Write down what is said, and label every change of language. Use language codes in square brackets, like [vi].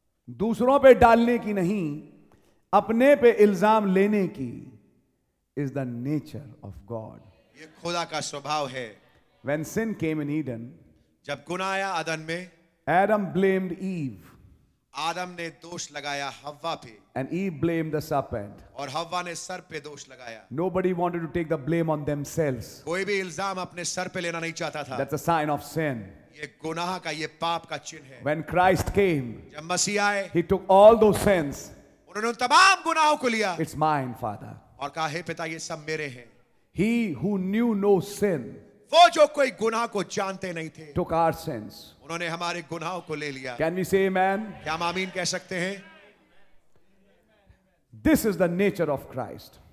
[hi] दूसरों पे डालने की नहीं अपने पे इल्जाम लेने की [en] Is the nature of God. [hi] ये खुदा का स्वभाव है. [en] When sin came in Eden, [hi] जब गुना आया अदन में, [en] Adam blamed Eve. [hi] आदम ने दोष लगाया हव्वा पे. [en] And Eve blamed the serpent. [hi] और हव्वा ने सर पे दोष लगाया. [en] Nobody wanted to take the blame on themselves. [hi] कोई भी इल्जाम अपने सर पे लेना नहीं चाहता था. [en] That's a sign of sin. [hi] ये गुनाह का, ये पाप का चिन्ह है. [en] When Christ came, [hi] जब मसीह आए, [en] He took all those sins. [hi] उन्होंने तमाम गुनाहों को लिया. [en] It's mine, Father. [hi] और कहा, हे पिता, ये सब मेरे हैं. [en] He who knew no sin, [hi] वो जो कोई गुनाह को जानते नहीं थे, [en] took our sins. [hi] उन्होंने हमारे गुनाहों को ले लिया. [en] Can we say amen? [hi] क्या हम आमीन कह सकते हैं? [en] This is the nature of Christ.